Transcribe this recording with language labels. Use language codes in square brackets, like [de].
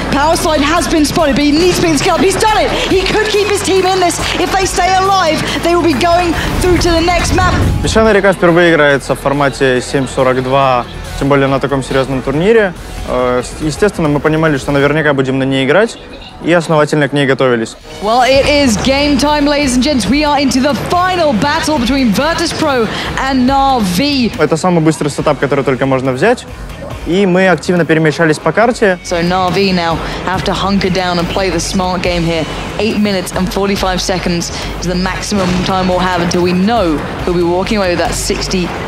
[en] Power slide has been spotted, but he needs to be in the scalp, he's done it! He could keep his team in this, if they stay alive, they will be going through to the next map. [ru] Песчаная река впервые играется в формате 7.42. Тем более на таком серьезном турнире. Естественно, мы понимали, что наверняка будем на ней играть, и основательно к ней готовились. [en] Well, it is game time, ladies and gents. We are into the final battle between Virtus Pro and NAV. [ru] Это самый быстрый сетап, который только можно взять. И мы активно перемещались по карте. [en] So NAV now have to hunker down and play the smart game here. 8 minutes and 45 seconds is the maximum time we'll have until we know who'll be walking away with that $60,000.